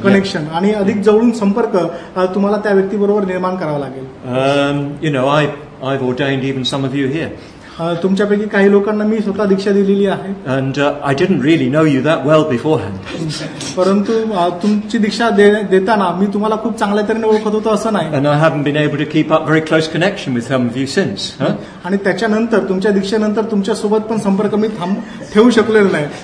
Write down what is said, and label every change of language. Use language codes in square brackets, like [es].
[mr] Connection आणि अधिक जवळून संपर्क तुम्हाला त्या व्यक्तीबरोबर निर्माण करावा लागेल. [en] You know I have ordained even some of you here. [mr] तुमच्यापैकी काही लोकांना मी स्वतः दीक्षा दिलेली आहे. [en] And I didn't really know you that well beforehand. [mr] परंतु तुमची दीक्षा देताना मी तुम्हाला खूप चांगल्या तरीने ओळखत होतो असं नाही. [en] And I haven't been able to keep up very close connection with some of you since. [mr] आणि त्याच्यानंतर तुमच्या दीक्षेनंतर तुमच्या सोबत पण संपर्क मी ठेवू शकलेलो नाही.